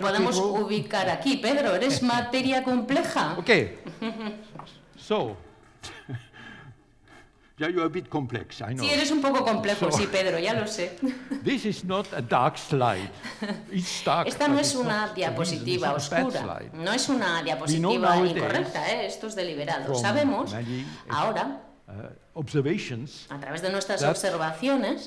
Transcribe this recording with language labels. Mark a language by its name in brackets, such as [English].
[Spanish] te podemos ubicar aquí, Pedro, ¿eres materia compleja? Ok. [English] So, yeah, you're a bit complex, I know. [Spanish] Sí, eres un poco complejo, so, sí, Pedro, ya lo sé. [English] This is not a dark slide. It's dark, [Spanish] esta no es una diapositiva oscura. No es una diapositiva incorrecta, esto es deliberado. Sabemos ahora, [English] observations, [Spanish] a través de nuestras observaciones,